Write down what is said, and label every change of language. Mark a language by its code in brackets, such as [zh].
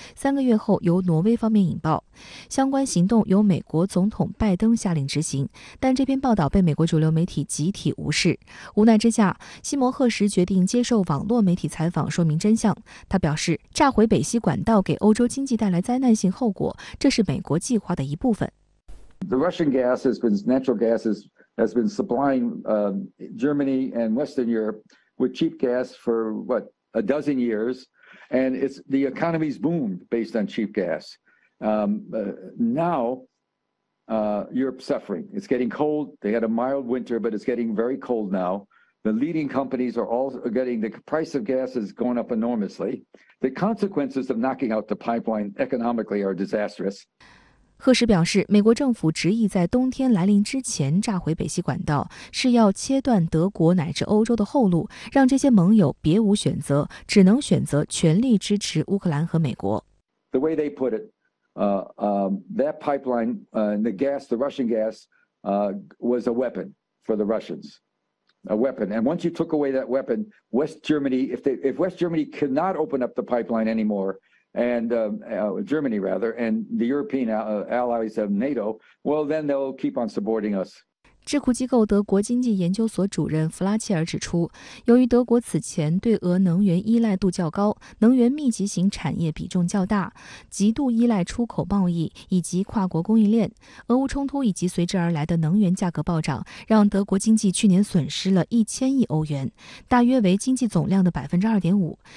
[zh] 3个月后，由挪威方面引爆。相关行动由美国总统拜登下令执行，但这篇报道被美国主流媒体集体无视。无奈之下，西摩赫什决定接受网络媒体采访，说明真相。他表示，炸毁北溪管道给欧洲经济带来灾难性后果，这是美国计划的一部分。 [en] The Russian gas has been natural gas has been supplying Germany and Western Europe with cheap gas for what a dozen years, and it's the economy's boomed based on cheap gas. Now. Europe suffering. It's getting cold. They had a mild winter, but it's getting very cold now. The leading companies are all getting, the price of gas is going up enormously. The consequences of knocking out the pipeline economically are disastrous. [zh] 赫什表示，美国政府执意在冬天来临之前炸毁北溪管道，是要切断德国乃至欧洲的后路，让这些盟友别无选择，只能选择全力支持乌克兰和美国。 [en] The way they put it,that pipeline, the gas, the Russian gas, was a weapon for the Russians, a weapon. And once you took away that weapon, West Germany, if West Germany could not open up the pipeline anymore, and Germany rather, and the European allies of NATO, well, then they'll keep on supporting us. [zh] 智库机构德国经济研究所主任弗拉切尔指出，由于德国此前对俄能源依赖度较高，能源密集型产业比重较大，极度依赖出口贸易以及跨国供应链，俄乌冲突以及随之而来的能源价格暴涨，让德国经济去年损失了1000亿欧元，大约为经济总量的2.5%。